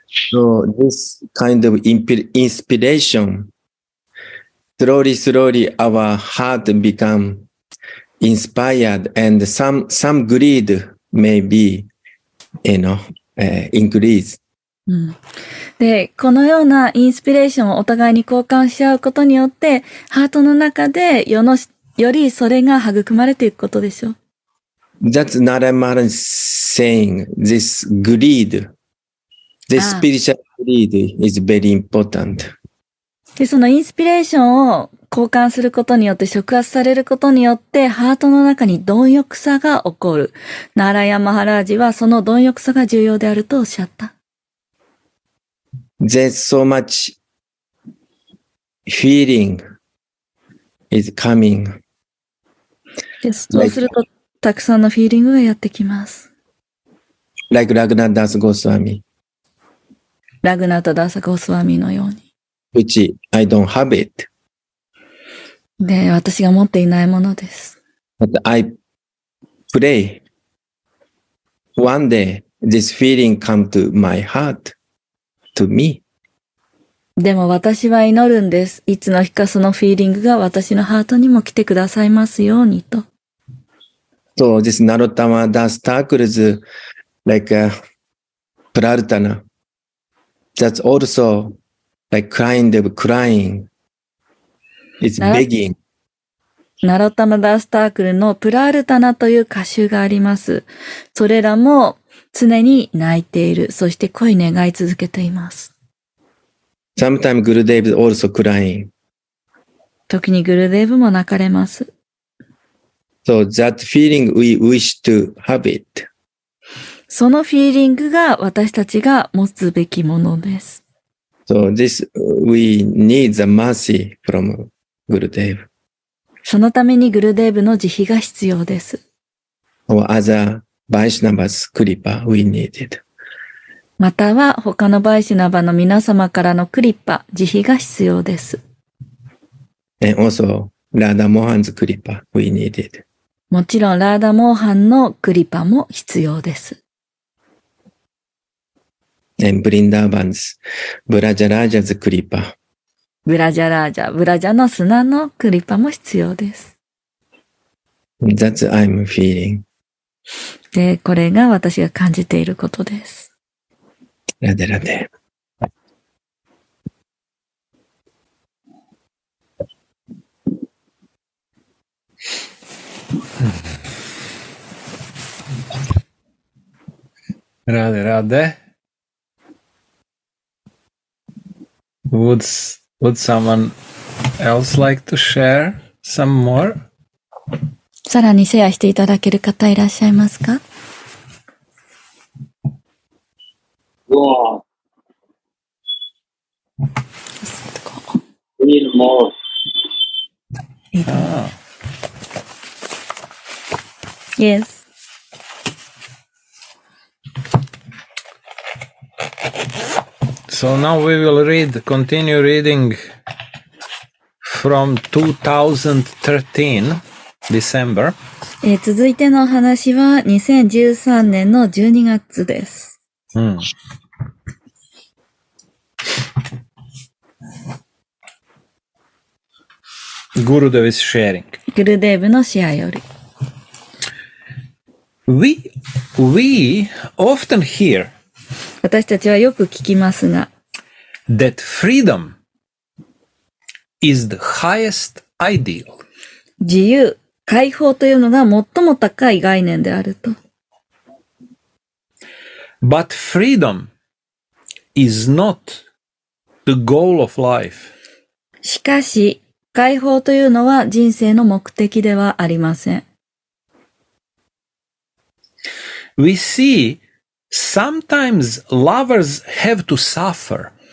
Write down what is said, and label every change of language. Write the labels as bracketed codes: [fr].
[en] So, this kind of inspiration, slowly, slowly, our heart become inspired and some greed may be, you know, increase. [ja] で、このようなインスピレーションをお互いに交換し合うことによって、ハートの中で世のよりそれが育まれていくことでしょう。 [en] That's Naramara saying this greed, this spiritual greed is very important. [ja] で、そのインスピレーションを交換することによって、触発されることによって、ハートの中に貪欲さが起こる。ナーラヤマハラージはその貪欲さが重要であるとおっしゃった。 [en] There's so much feeling is coming. [ja] Yes, そうすると、like, たくさんのフィーリングがやってきます。 [en] Like Raghunatha Das Goswami. [ja] Raghunatha Das Goswami のように。 [en] Which I don't have it. [ja] で、私が持っていないものです。 [en] But I pray one day this feeling come to my heart. To me. [ja] でも私は祈るんです。いつの日かそのフィーリングが私のハートにも来てくださいますようにと。 [en] So this Narottama Das Thakur is like a Prarthana. That's also like kind of crying. It's begging. [ja] Narottama Das Thakur のプラルタナという歌集があります。それらも常に泣いている。そして声を願い続けています。 [en] Sometimes Gurudev is also crying. [ja] 時にグルデーブも泣かれます。 [en] So that feeling we wish to have it. [ja] そのフィーリングが私たちが持つべきものです。 [en] So this we need the mercy from Gurudev. [ja] そのためにグルデーブの慈悲が必要です。 [en] Or other... Vaishnavas Kripa, we needed. [ja] または他のバイシナバの皆様からのクリッパ、慈悲が必要です。 [en] And also, Radha Mohan's Kripa, we needed. [ja] もちろん、ラーダ・モーハンのクリッパも必要です。 [en] And Vrindavan's, Vrajaraja's Kripa. [ja] Vrajaraja, Vraja の砂のクリッパも必要です。 [en] That's I'm feeling. [ja] で、これが私が感じていることです。ラデラデ。 [en] Rade, rade. Would someone else like to share some more? [ja] さらにシェアしていただける方いらっしゃいますか？ [en] Go on. Need more. Yes. So now we will read, continue reading from 2013, December. [ja] 続いての話は2013年の12月です。うん。 [en] グルデヴ is sharing. [ja] グルデヴのシェアより。 [en] We often hear [ja] 私たちはよく聞きますが、 [en] That freedom is the highest ideal. [ja] 自由、解放というのが最も高い概念であると。 [en] But freedom is not the goal of life. [ja] しかし、解放というのは人生の目的ではありません。 [en] We see sometimes lovers have to suffer.